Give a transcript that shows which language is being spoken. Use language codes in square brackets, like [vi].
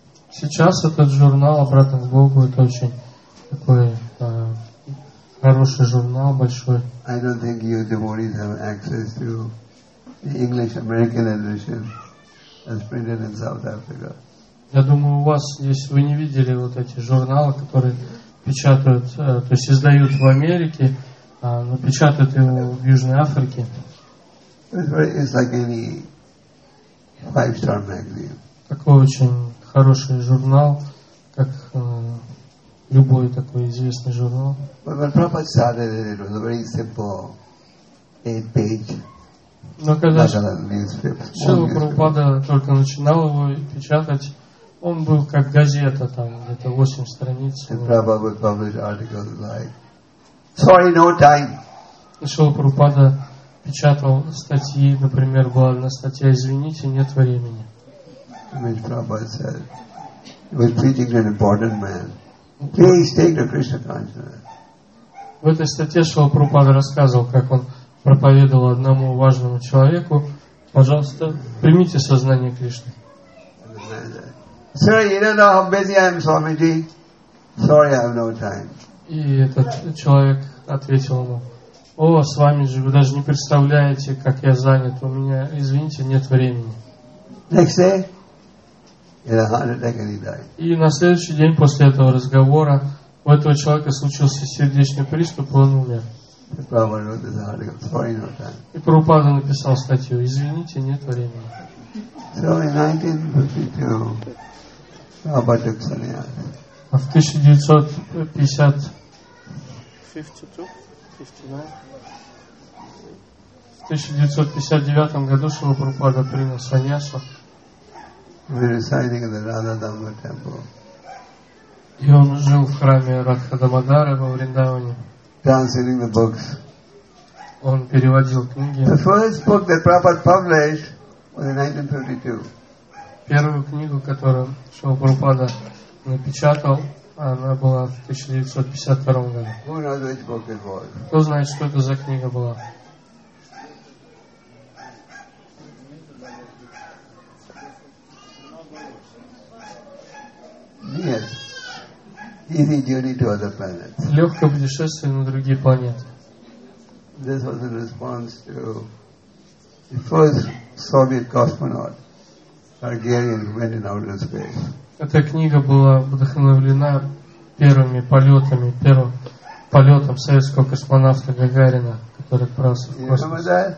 [ru] Сейчас этот журнал «Обратно к Богу» — это очень такой хороший журнал, большой. [en] I don't think you devotees have access to the English-American edition as printed in South Africa. [ru] Я думаю, у вас, если вы не видели вот эти журналы, которые печатают, то есть издают в Америке, но печатают его в Южной Африке. [en] It's like any 5-star magazine. [ru] Такой очень хороший журнал, как любой такой известный журнал. [en] But when Prabhupada started it, it was a very simple 8-page. [ru] Но когда Шрила Прабхупада только начинал его печатать, он был как газета, там где-то 8 страниц. [en] And Prabhupada would publish articles like, "Sorry, no time." [ru] Шрила Прабхупада печатал статьи, например, была одна статья: "Извините, нет времени." [en] And then Prabhupada said, "He was preaching to an important man. Please take the Krishna consciousness." [ru] В этой статье Шрила Прабхупада рассказывал, как он проповедовал одному важному человеку: "Пожалуйста, примите сознание Кришны." [en] Sir, you don't know how busy I am, Swamiji. Sorry, I have no time. [ru] И этот человек ответил ему: О, Свамиджи, вы даже не представляете, как я занят. У меня, извините, нет времени. [en] Next day, in a heart attack, and he died. [ru] И на следующий день после этого разговора у этого человека случился сердечный приступ, он умер. И Прабхупада написал статью: Извините, нет времени. [en] So in 1952, Prabhupada took sannyas. [ru] А в 1959 году Шрила Прабхупада принял саньясу. [en] Residing in the Radha Dhamma temple. [ru] И он жил в храме Радха Дамодары во Вриндаване. [en] Translating the books. [ru] Он переводил книги. [en] The first book that Prabhupada published was in 1952. [ru] Первую книгу, которую Шрила Прабхупада напечатал, она была в 1952 году. Кто знает, что это за книга была? [en] Yes. Easy journey to other planets. [ru] Легкое путешествие на другие планеты. [en] This was in response to the first Soviet cosmonaut, Gagarin, who went in outer space. [ru] Эта книга была вдохновлена первыми полетами, первым полетом советского космонавта Гагарина, который отправился в космос.